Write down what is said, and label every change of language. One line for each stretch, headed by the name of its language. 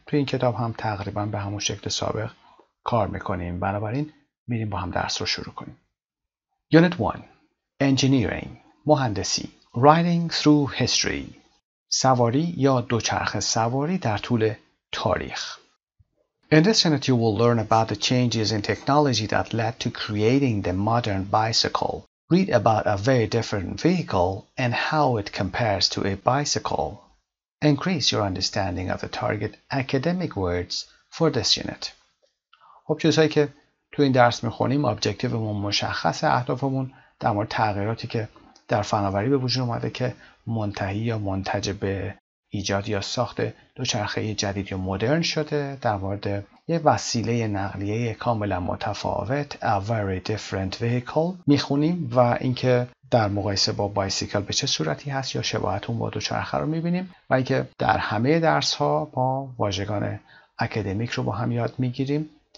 Persian: تو این کتاب هم تقریبا به همون شکل سابق کار میکنیم. بنابراین میریم با هم درس رو شروع کنیم.
English: Unit 1. Engineering.
Persian: مهندسی.
English: Riding through history.
Persian: سواری یا دوچرخه سواری در طول تاریخ.
English: In this unit you will learn about the changes in technology that led to creating the modern bicycle. Read about a very different vehicle and how it compares to a bicycle. Increase your understanding of the target academic words for this unit.
Persian: خب چیزهایی که تو این درس میخونیم ابجکتیومون مشخصه، اهدافمون در مورد تغییراتی که در فناوری به وجود اومده که منتهی یا منتج به ایجاد یا ساخت دوچرخه جدید یا مدرن شده، در مورد یه وسیله نقلیه کاملا متفاوت
English: a very different vehicle
Persian: میخونیم و اینکه در مقایسه با بایسیکل به چه صورتی هست یا شباهتون با دوچرخه رو میبینیم و اینکه در همه درس ها با واژگان اکادمیک رو با هم یاد میگیریم.